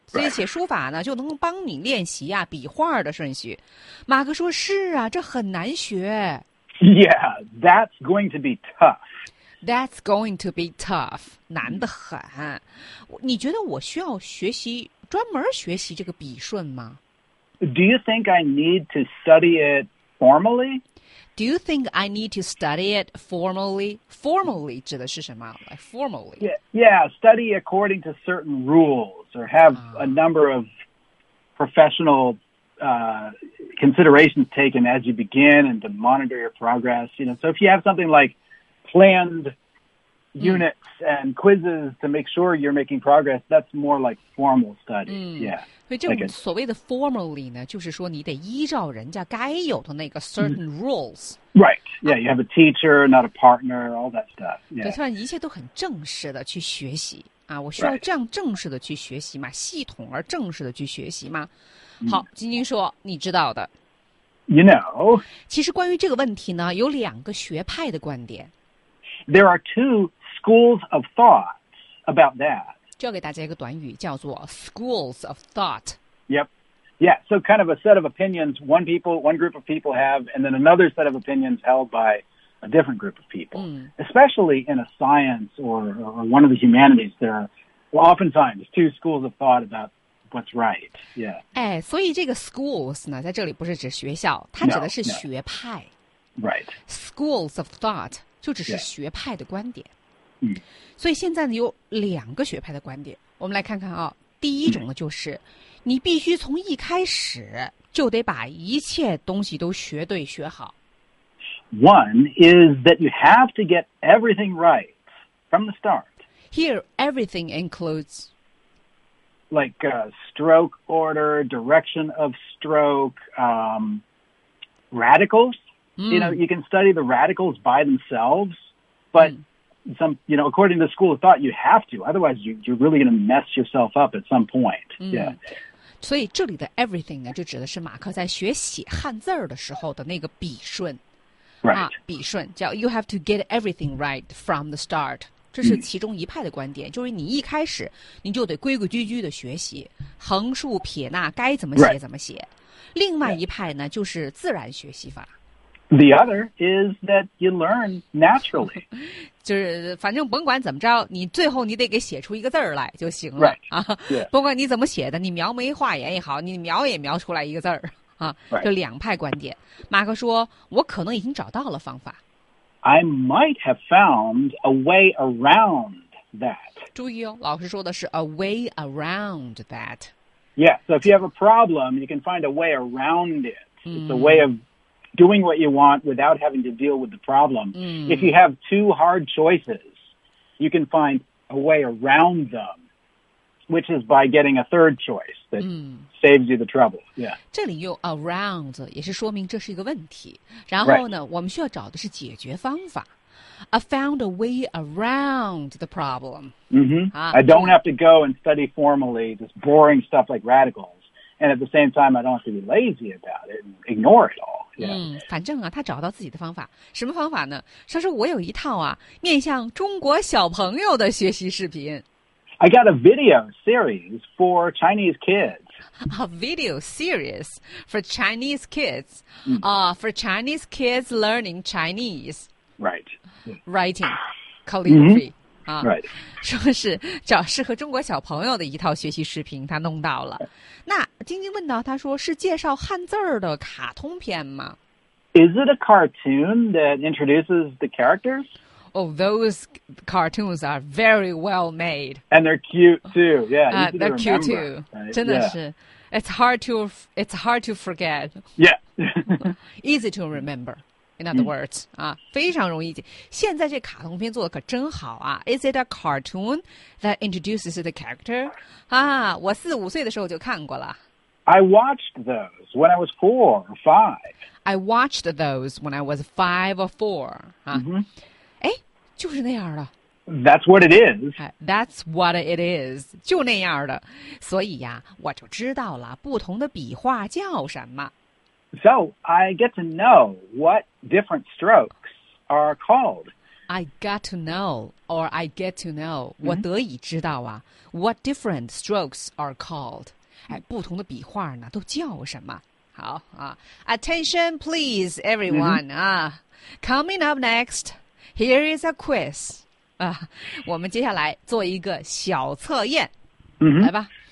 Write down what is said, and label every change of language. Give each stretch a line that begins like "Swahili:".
Chinese: 所以写书法呢，就能帮你练习啊笔画的顺序。马克说：“是啊，这很难学。”
English: Yeah, that's going to be tough. That's going to be tough.
Chinese: 难得很。你觉得我需要学习，专门学习这个笔顺吗？
English: Do you think I need to study it formally? Do you think I need to study it formally?
Chinese: Formally 指的是什么？
English: Like formally. Yeah, study according to certain rules or have a number of professional considerations taken as you begin and to monitor your progress. You know, so if you have something like plannedunits and quizzes to make sure you're making progress, that's more like formal study. Yeah.
Chinese: 所以这种所谓的 formally 呢，就是说你得依照人家该有的那个
English: certain rules. Right. Yeah, you have a teacher, not a partner, all that stuff. Yeah.
Chinese: 对，算一切都很正式的去学习啊，我需要这样正式的去学习嘛，系统而正式的去学习嘛。好，晶晶说，你知道的。
English: You know.
Chinese: 其实关于这个问题呢，有两个学派的观点。
English: There are two schools of thought about that.
Chinese: 教给大家一个短语叫做
English: schools of thought. Yep. Yeah, so kind of a set of opinions one group of people have, and then another set of opinions held by a different group of people. Especially in a science or one of the humanities, there are oftentimes two schools of thought about what's right. Yeah.
Chinese: 哎，所以这个 schools 呢，在这里不是指学校，它指的是学派。
English: Right. Schools of thought.
Chinese: 就只是学派的观点、
English: yeah.
Chinese: 所以现在呢有两个学派的观点，我们来看看啊。第一种呢就是你必须从一开始就得把一切东西都学对学好。
English: One is that you have to get everything right from the start. Here everything includes like stroke order, direction of stroke, radicalsYou know, you can study the radicals by themselves, but some, you know, according to the school of thought, you have to. Otherwise, you're really going to mess yourself up at some point. Yeah.
Chinese: 所以这里的 everything 呢，就指的是马克在学写汉字儿的时候的那个笔顺。
English: Right.
Chinese: 笔顺叫
English: you have to get everything right from the start.
Chinese: 这是其中一派的观点，就是你一开始你就得规规矩矩的学习，横竖撇捺该怎么写怎么写。另外一派呢，就是自然学习法。
English: The other is that you learn naturally.
Chinese: 就是反正甭管怎么着，你最后你得给写出一个字儿来就行了、
English: right.
Chinese: 啊。
English: Yeah.
Chinese: 不管你怎么写的，你描眉画眼也好，你描也描出来一个字儿啊。
English: Right.
Chinese: 就两派观点。马克说：“我可能已经找到了方法。”
English: I might have found a way around that.
Chinese: 注意哦，老师说的是 a way around that.
English: Yeah. So if you have a problem, you can find a way around it. It's a way of doing what you want without having to deal with the problem. If you have two hard choices, you can find a way around them, which is by getting a third choice that saves you the trouble. Yeah.
Chinese: 这里用 around 也是说明这是一个问题。然后呢，我们需要找的是解决方法。
English: I found a way around the problem. I don't have to go and study formally this boring stuff like radicals. And at the same time, I don't have to be lazy about it and ignore it all.
Chinese: 反正啊，他找到自己的方法，什么方法呢？他说我有一套啊，面向中国小朋友的学习视频。
English: I got a video series for Chinese kids. A video series for Chinese kids. For Chinese kids learning Chinese. Right. Writing, calligraphy. Right.
Chinese: 说是找适合中国小朋友的一套学习视频，他弄到了。那晶晶问到，他说是介绍汉字儿的卡通片吗
English: ？Is it a cartoon that introduces the characters? Oh, those cartoons are very well made, and they're cute too. Yeah, they're cute too. Right?
Chinese: 真的是、
English: yeah. it's hard to forget. Yeah, easy to remember. In other words,
Chinese: 非常容易记。现在这卡通片做的可真好啊 ！
English: Is it a cartoon that introduces the character?
Chinese: 啊，我四五岁的时候就看过了。
English: I watched those when I was 4 or 5. I watched those when I was 5 or 4. Mm-hmm.
Chinese: 就是那样的。
English: That's what it is. That's what it is.
Chinese: 就那样的。所以呀，我就知道了不同的笔画叫什么。
English: So I get to know what different strokes are called. I got to know, or I get to know.
Chinese: 我得以知道啊
English: what different strokes are called.
Chinese: 哎，不同的笔画呢，都叫什么？好啊
English: ，Attention, please, everyone. Coming up next, here is a quiz.
Chinese: 我们接下来做一个小测验。来吧，